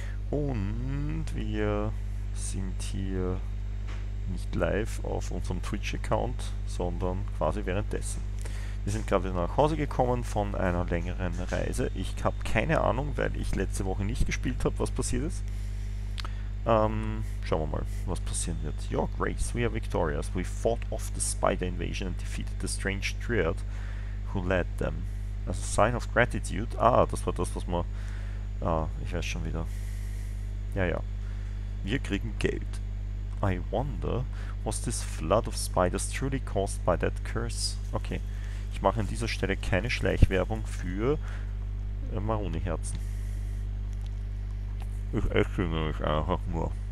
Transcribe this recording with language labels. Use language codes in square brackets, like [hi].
[de] Und wir sind hier nicht live auf unserem Twitch-Account, sondern quasi währenddessen. Wir sind gerade nach Hause gekommen von einer längeren Reise. Ich habe keine Ahnung, weil ich letzte Woche nicht gespielt habe, was passiert ist. Schauen wir mal, was passieren wird. [en] Your Grace, we are victorious. We fought off the spider invasion and defeated the strange triad who led them. As a sign of gratitude. [de] Ah, das war das, was man... Ah, ich weiß schon wieder. Ja, ja. Wir kriegen Geld. [en] I wonder, was this flood of spiders truly caused by that curse? [de] Okay. Ich mache an dieser Stelle keine Schleichwerbung für Maroni-Herzen. Ich esse nämlich einfach nur.